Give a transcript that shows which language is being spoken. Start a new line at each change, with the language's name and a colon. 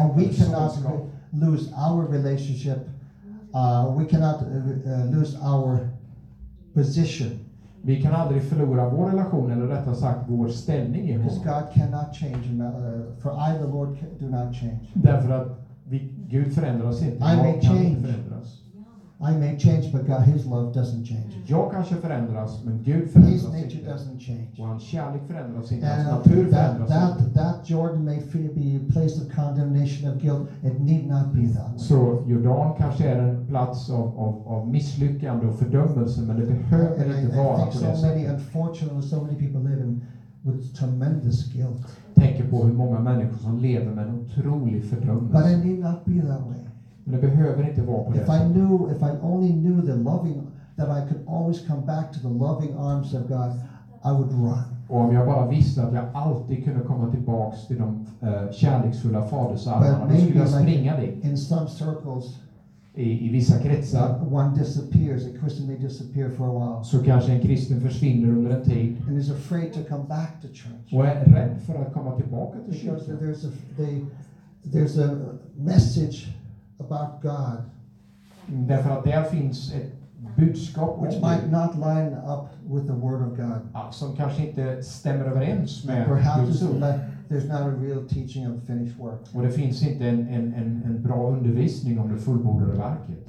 English: And we cannot lose our relationship. We cannot lose our position.
Swedish: Vi kan aldrig förlora vår relation eller rättare sagt vår ställning i honom.
English: Because God cannot change, for I the Lord do not change.
Swedish: Därför att Gud förändrar oss inte.
English: I may change. I may change, but God, his love doesn't change.
Swedish: Jag kanske förändras, men Gud förändras inte.
English: His nature doesn't change.
Swedish: Och hans kärlek förändras inte. Hans natur förändras inte.
English: That Jordan may be a place of condemnation, of guilt. It need not be that way.
Swedish: Så Jordan kanske är en plats av misslyckande och fördömelse, men det behöver inte vara på det sättet.
English: So many, unfortunately, so many people live with tremendous guilt.
Swedish: Tänker på hur många människor som lever med en otrolig fördömelse.
English: But it need not be that way.
Swedish: Men det behöver inte vara på det.
English: If I only knew the loving that I could always come back to the loving arms of God, I would run.
Swedish: Och om jag bara visste att jag alltid kunde komma tillbaks till de kärleksfulla fadersarmarna, då skulle jag springa dit.
English: In some circles,
Swedish: i vissa kretsar.
English: One disappears, a Christian may disappear for a while.
Swedish: Så kanske en kristen försvinner under en tid.
English: And is afraid to come back to church.
Swedish: Och är rädd för att komma tillbaka till kyrkan.
English: Because there's a message about God.
Swedish: Därför att där finns ett budskap
English: which might not line up with the word of God.
Swedish: Som kanske inte stämmer överens med Guds ord.
English: There's not a real teaching of finished work.
Swedish: Och det finns inte en bra undervisning om det fullbordade verket.